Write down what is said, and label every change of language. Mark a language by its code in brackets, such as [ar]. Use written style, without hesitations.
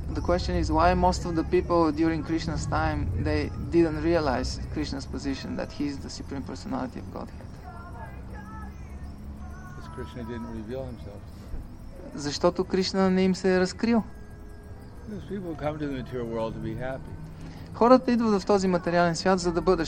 [en] The question is why most of the people during Krishna's time they didn't realize Krishna's position that he is the supreme personality of Godhead. Because Krishna didn't reveal himself. [bg] Защото Кришна не им се е разкрил. [en] Because people come to the material world to be happy. [bg] Хората идват в този материален свят, за да бъдат